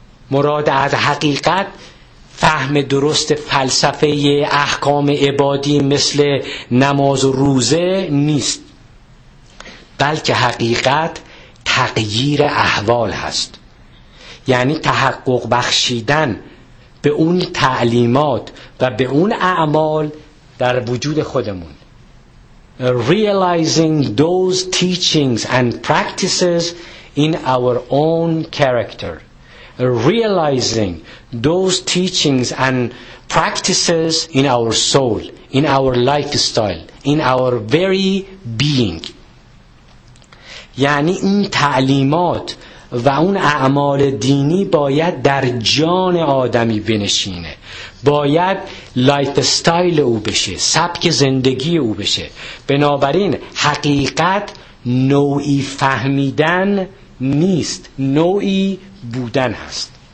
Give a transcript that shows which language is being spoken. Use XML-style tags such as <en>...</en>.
<fa>مراد از حقیقت فهم درست فلسفه احکام عبادی مثل نماز و روزه نیست، بلکه حقیقت تغییر احوال هست، یعنی تحقق بخشیدن به اون تعلیمات و به اون اعمال در وجود خودمون.</fa> <en>Realizing those teachings and practices in our own character. Realizing those teachings and practices in our soul, in our lifestyle, in our very being.</en> <fa>یعنی این تعلیمات و اون اعمال دینی باید در جان آدمی بنشینه، باید لایف استایل او بشه، سبک زندگی او بشه. بنابراین حقیقت نوعی فهمیدن نیست، نوعی بودن هست.</fa>